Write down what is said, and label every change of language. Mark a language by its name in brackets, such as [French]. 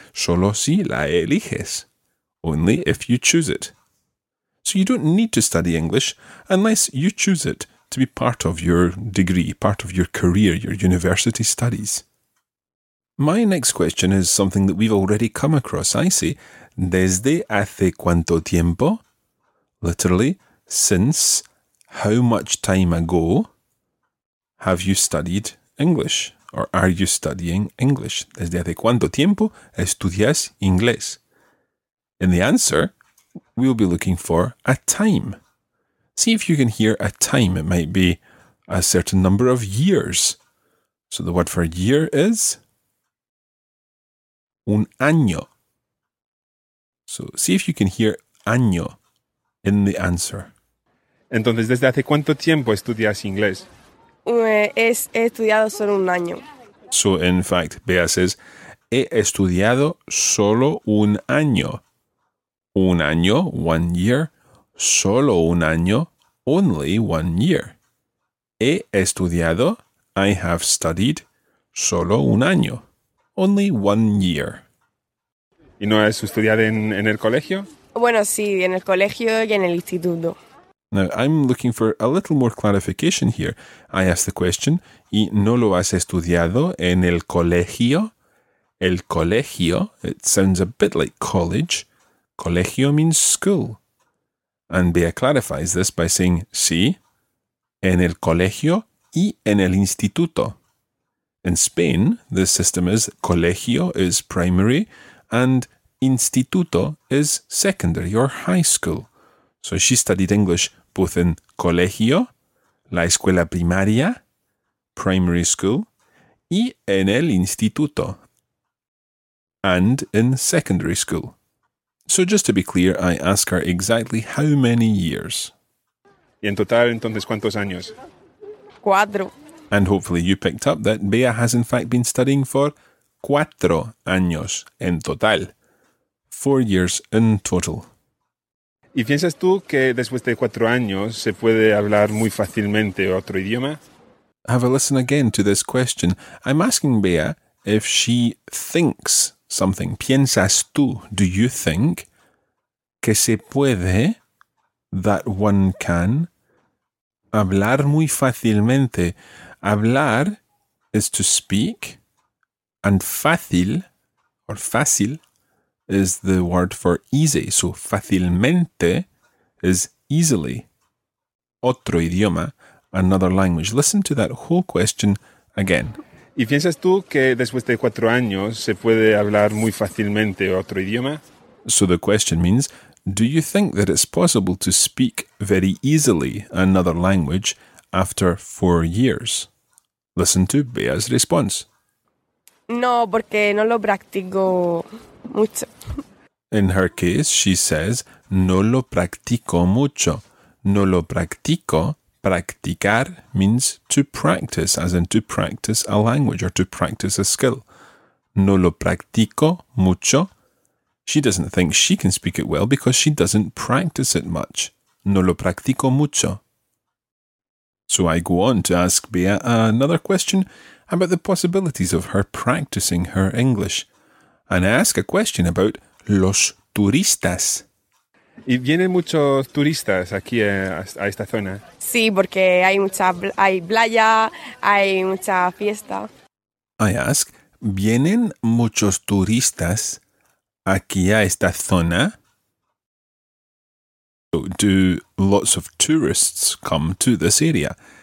[Spanish] Solo si la eliges. [English] Only if you choose it. So you don't need to study English unless you choose it to be part of your degree, part of your career, your university studies. My next question is something that we've already come across. I say, [Spanish] ¿desde hace cuánto tiempo? [English] Literally, since how much time ago have you studied English? Or are you studying English? [Spanish] ¿Desde hace cuánto tiempo estudias inglés? [English] In the answer, we'll be looking for a time. See if you can hear a time. It might be a certain number of years. So the word for year is un año. So see if you can hear año in the answer. [Spanish] Entonces, ¿desde hace cuánto tiempo estudias inglés? He estudiado solo un año. [English] So in fact, Bea says, [Spanish] he estudiado solo un año. Un año, [English] 1 year. [Spanish] Solo un año, [English] only 1 year. [Spanish] He estudiado, [English] I have studied, [Spanish] solo un año. [English] Only 1 year. [Spanish] ¿Y no has estudiado en el colegio? Bueno, sí, en el colegio y en el instituto. [English] Now, I'm looking for a little more clarification here. I ask the question, [Spanish] ¿y no lo has estudiado en el colegio? [English] El colegio, it sounds a bit like college. Colegio means school. And Bea clarifies this by saying, [Spanish] sí, en el colegio y en el instituto. [English] In Spain, the system is colegio is primary and instituto is secondary or high school. So she studied English both in colegio, [Spanish] la escuela primaria, [English] primary school, [Spanish] y en el instituto, [English] and in secondary school. So just to be clear, I ask her exactly how many years. [Spanish] Y en total, entonces, ¿cuántos años? Cuatro. [English] And hopefully you picked up that Bea has in fact been studying for 4 años en total. 4 years in total. [Spanish] ¿Y piensas tú que después de 4 años se puede hablar muy fácilmente otro idioma? [English] Have a listen again to this question. I'm asking Bea if she thinks something. [Spanish] ¿Piensas tú? [English] Do you think [Spanish] que se puede, [English] that one can, [Spanish] hablar muy fácilmente? [English] Hablar is to speak, and fácil, or fácil, is the word for easy. So fácilmente is easily. [Spanish] Otro idioma, [English] another language. Listen to that whole question again. [Spanish] ¿Y piensas tú que después de 4 años se puede hablar muy fácilmente otro idioma? [English] So the question means, do you think that it's possible to speak very easily another language after 4 years? Listen to Bea's response. [Spanish] No, porque no lo practico mucho. [English] In her case, she says, [Spanish] no lo practico mucho. No lo practico. [English] Practicar means to practice, as in to practice a language or to practice a skill. [Spanish] No lo practico mucho. [English] She doesn't think she can speak it well because she doesn't practice it much. [Spanish] No lo practico mucho. [English] So I go on to ask Bea another question about the possibilities of her practicing her English. And I ask a question about los turistas. [Spanish] ¿Y vienen muchos turistas aquí a esta zona? Sí, porque hay playa, hay mucha fiesta. [English] I ask, [Spanish] ¿vienen muchos turistas aquí a esta zona? [English] So, do lots of tourists come to this area?